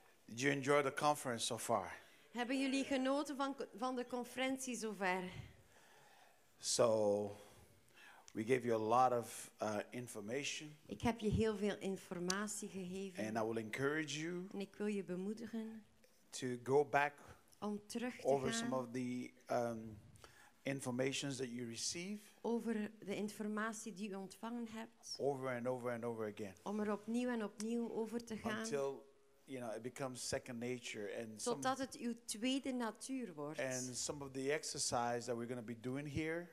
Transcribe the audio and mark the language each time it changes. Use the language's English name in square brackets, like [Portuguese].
[English] Did you enjoy the conference so far? [Dutch] Hebben jullie genoten van de conferentie zover? [English] So, we gave you a lot of information. [Dutch] Ik heb je heel veel informatie gegeven. [English] And I will encourage you. [Dutch] En ik wil je bemoedigen. [English] To go back. [Dutch] Om terug te gaan. [English] Over some of the informations that you receive. [Dutch] Over de informatie die u ontvangen hebt. [English] Over and over and over again. [Dutch] Om er opnieuw en opnieuw over te gaan. [English] Until you know, it becomes second nature, and [Dutch] totdat het uw tweede natuur wordt. [English] And some of the exercises that we're going to be doing here.